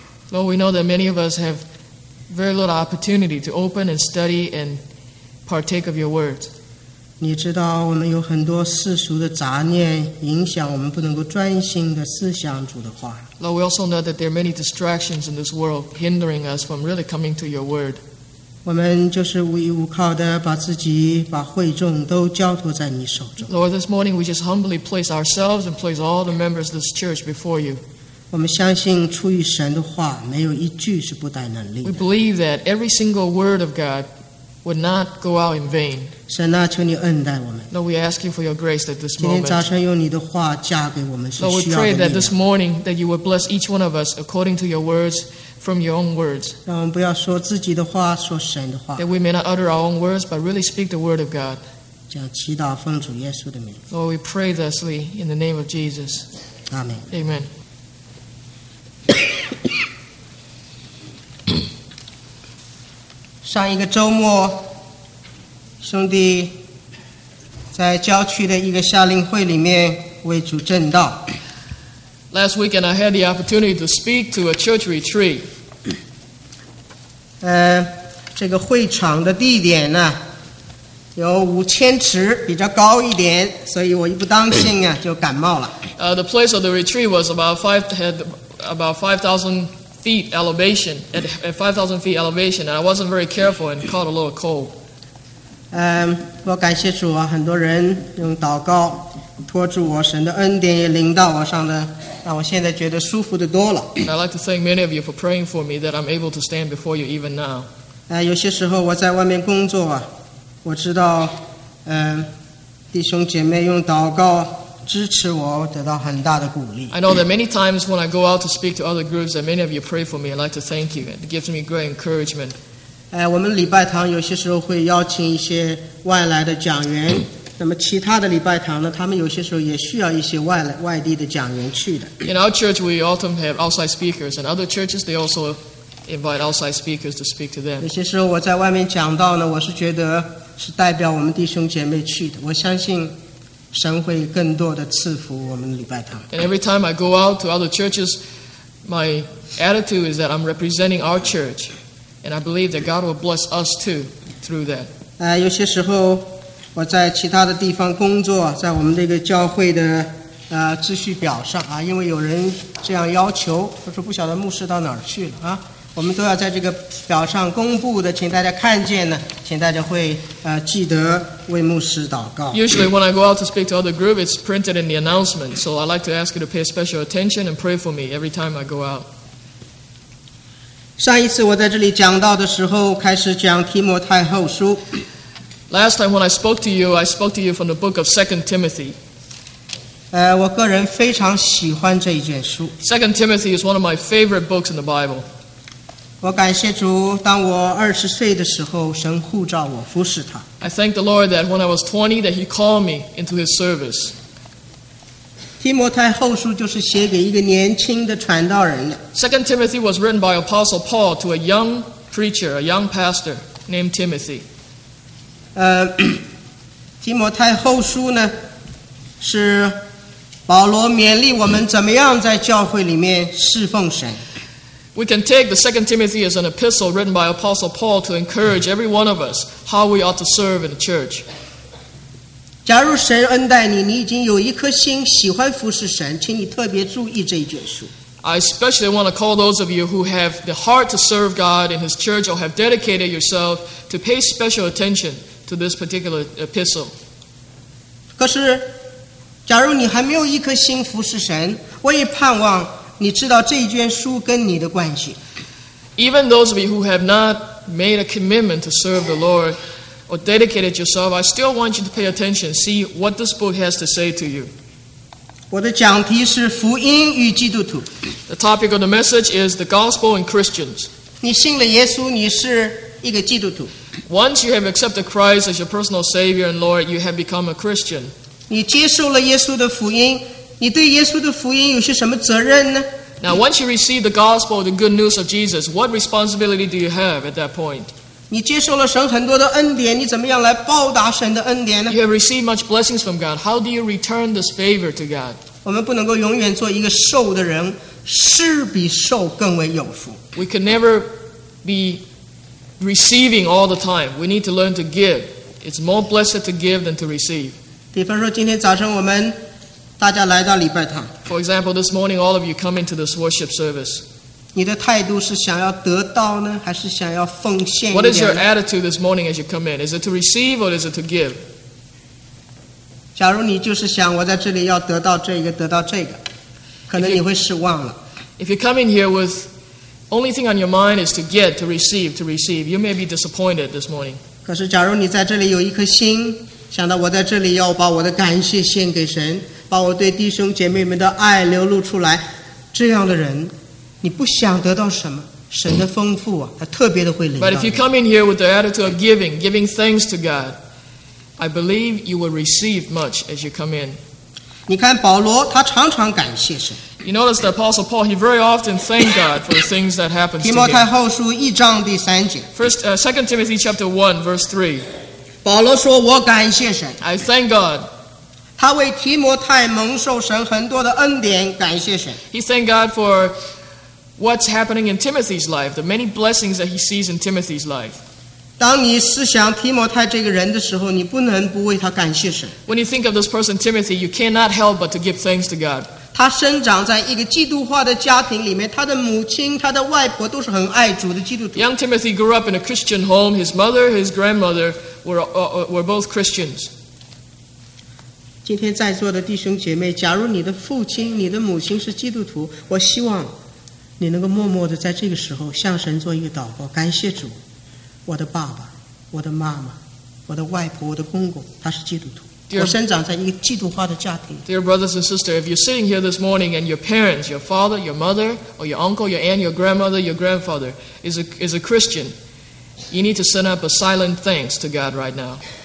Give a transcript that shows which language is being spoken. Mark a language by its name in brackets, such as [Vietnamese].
[English] Lord, we know that many of us have very little opportunity to open and study and partake of your words. [Chinese] 你知道我们有很多世俗的杂念影响我们不能够专心的思想主的话。 [English] Lord, we also know that there are many distractions in this world hindering us from really coming to your word. [Chinese] 我们就是无依无靠的把自己把会众都交托在你手中。 [English] Lord, this morning we just humbly place ourselves and place all the members of this church before you. [Chinese] 我们相信出于神的话没有一句是不带能力的。 [English] We believe that every single word of God would not go out in vain. [Chinese] 神啊，求你恩待我们。 [English] Lord, we ask you for your grace at this moment. [Chinese] 今天早晨用你的话加给我们是需要的力量。 [English] Lord, we pray that this morning that you would bless each one of us according to your words from your own words. [Chinese] 让我们不要说自己的话，说神的话。 [English] That we may not utter our own words, but really speak the word of God. [Chinese] 这样祈祷奉主耶稣的名。 [English] Lord, we pray thusly in the name of Jesus. Amen. Amen. [Chinese] 上一个周末，兄弟在郊区的一个夏令会里面为主证道。 [English] Last weekend, I had the opportunity to speak to a church retreat. [Chinese] 这个会场的地点呢，有5000尺，比较高一点，所以我一不当心啊，就感冒了。 [English] The place of the retreat was about 5,000 feet elevation, and I wasn't very careful and caught a little cold. [Chinese] 我感谢主啊，很多人用祷告托住我，神的恩典也临到我上的，让我现在觉得舒服的多了。 [English] I'd like to thank many of you for praying for me that I'm able to stand before you even now. [Chinese] 有些时候我在外面工作啊，我知道，弟兄姐妹用祷告。支持我，我得到很大的鼓励。 [English] I know that many times when I go out to speak to other groups, that many of you pray for me. I'd like to thank you. It gives me great encouragement. [Chinese] 我们礼拜堂有些时候会邀请一些外来的讲员，那么其他的礼拜堂呢，他们有些时候也需要一些外地的讲员去的。 [English] In our church, we often have outside speakers, and other churches they also invite outside speakers to speak to them. [Chinese] 有些时候我在外面讲到呢，我是觉得是代表我们弟兄姐妹去的。我相信神会更多的赐福我们礼拜堂。 [English] And every time I go out to other churches, my attitude is that I'm representing our church, and I believe that God will bless us too through that. [Chinese] 有些时候。我在其他的地方工作，在我们这个教会的秩序表上啊，因为有人这样要求，他说不晓得牧师到哪儿去了啊，我们都要在这个表上公布的，请大家看见呢，请大家会记得为牧师祷告。 [English] Usually when I go out to speak to other group, it's printed in the announcement, so I like to ask you to pay special attention and pray for me every time I go out. [Chinese] 上一次我在这里讲到的时候，开始讲提摩太后书。 [English] Last time when I spoke to you from the book of 2 Timothy. [Chinese] 我个人非常喜欢这一卷书。 [English] 2 Timothy is one of my favorite books in the Bible. [Chinese] 我感谢主，当我20岁的时候，神呼召我服侍他。 [English] I thank the Lord that when I was 20, that he called me into his service. [Chinese] 提摩太后书就是写给一个年轻的传道人的。 [English] 2 Timothy was written by Apostle Paul to a young preacher, a young pastor named Timothy. [Chinese] 提摩太后书呢，是保罗勉励我们怎么样在教会里面侍奉神。 [English] We can take the 2 Timothy as an epistle written by Apostle Paul to encourage every one of us how we ought to serve in the church. [Chinese] 假如神恩待你，你已经有一颗心喜欢服侍神，请你特别注意这一卷书。 [English] I especially want to call those of you who have the heart to serve God in His church or have dedicated yourself to pay special attention. To this particular epistle. [Chinese] 可是，假如你还没有一颗心服侍神，我也盼望你知道这一卷书跟你的关系。 [English] Even those of you who have not made a commitment to serve the Lord or dedicated yourself, I still want you to pay attention, see what this book has to say to you. [Chinese] 我的讲题是福音与基督徒。 [English] The topic of the message is the gospel and Christians. [Chinese] 你信了耶稣，你是一个基督徒。 [English] Once you have accepted Christ as your personal Savior and Lord, you have become a Christian. [Chinese] 你接受了耶稣的福音，你对耶稣的福音有些什么责任呢？ [English] Now, once you receive the gospel, the good news of Jesus, what responsibility do you have at that point? [Chinese] 你接受了神很多的恩典，你怎么样来报答神的恩典呢？ [English] You have received much blessings from God. How do you return this favor to God? [Chinese] 我们不能够永远做一个受的人，施比受更为有福。 [English] We can never be... receiving all the time. We need to learn to give. It's more blessed to give than to receive. [Chinese] 比方说今天早上我们大家来到礼拜堂。 [English] For example, this morning all of you come into this worship service. [Chinese] 你的态度是想要得到呢，还是想要奉献？ [English] What is your attitude this morning as you come in? Is it to receive or is it to give? [Chinese] 假如你就是想我在这里要得到这个，得到这个，可能你会失望了。 [English] If you come in here withOnly thing on your mind is to get, to receive. You may be disappointed this morning. [Chinese] 可是假如你在这里有一颗心，想到我在这里要把我的感谢献给神，把我对弟兄姐妹们的爱流露出来，这样的人，你不想得到什么，神的丰富啊，他特别的会领到你。 [English] But if you come in here with the attitude of giving, giving thanks to God, I believe you will receive much as you come in. [Chinese] 你看保罗，他常常感谢神。 [English] You notice the Apostle Paul, he very often thanked God for the things that happened to him. [Chinese] 提摩太后书一章第三节。 [English] 2 Timothy chapter 1, verse 3. [Chinese] 保罗说我感谢神。 [English] I thank God. [Chinese] 他为提摩太蒙受神很多的恩典感谢神。 [English] He thanked God for what's happening in Timothy's life, the many blessings that he sees in Timothy's life. [Chinese] 当你思想提摩太这个人的时候，你不能不为他感谢神。 [English] When you think of this person, Timothy, you cannot help but to give thanks to God. [Chinese] 他生长在一个基督化的家庭里面，他的母亲、他的外婆都是很爱主的基督徒。 [English] Young Timothy grew up in a Christian home. His mother, his grandmother were both Christians. [Chinese] 今天在座的弟兄姐妹，假如你的父亲、你的母亲是基督徒，我希望你能够默默地在这个时候向神做一个祷告，感谢主。我的爸爸，我的妈妈，我的外婆，我的公公，他是基督徒。 [English] Dear, [Chinese] 我生长在一个基督化的家庭。 [English] Dear brothers and sisters, if you're sitting here this morning and your parents, your father, your mother, or your uncle, your aunt, your grandmother, your grandfather is a Christian, you need to send up a silent thanks to God right now.